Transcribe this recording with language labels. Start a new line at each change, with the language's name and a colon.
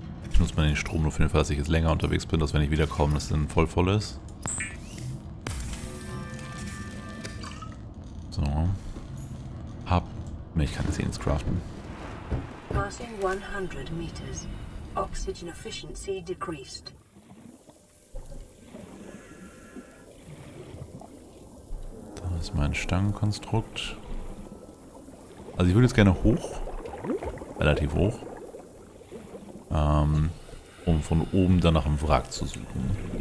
German: Ich nutze mal den Strom nur für den Fall, dass ich jetzt länger unterwegs bin, dass wenn ich wiederkomme, dass es dann voll ist. So. Hab. Ne, ich kann jetzt hier ins Craften.
English: Passing 100 meters. Oxygen efficiency decreased.
German: Da ist mein Stangenkonstrukt. Also ich würde jetzt gerne hoch, relativ hoch, um von oben dann nach einem Wrack zu suchen.